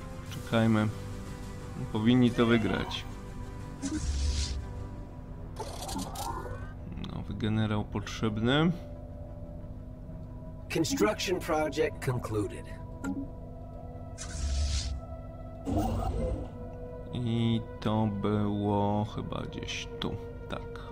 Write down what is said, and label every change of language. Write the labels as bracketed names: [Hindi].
[Polish] Czekajmy. Powinni to wygrać. Nowy generał potrzebny. [English] Construction project concluded. [Polish] I to było chyba gdzieś tu. Tak.